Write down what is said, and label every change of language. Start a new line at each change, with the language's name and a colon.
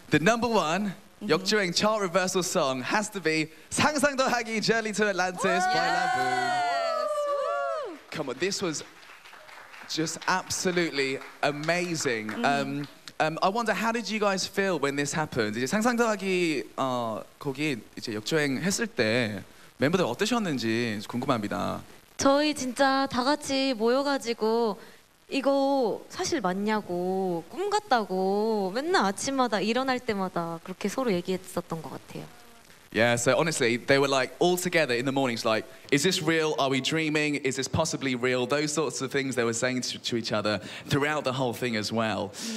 English: The number one. 역주행 chart reversal song has to be 상상도 하기 Journey to Atlantis by LABOUM. Come on, this was just absolutely amazing. I wonder, how did you guys feel when this happened?
Korean: 이제 상상도 하기 곡이 이제 역주행 했을 때 멤버들 어떠셨는지 궁금합니다. 저희 진짜 다 같이 모여가지고 이거 사실 맞냐고 꿈 같다고 맨날 아침마다 일어날 때마다 그렇게 서로 얘기했었던 것 같아요.
English: Yeah, so honestly, they were like all together in the mornings, like, is this real? Are we dreaming? Is this possibly real? Those sorts of things they were saying to each other throughout the whole thing as well.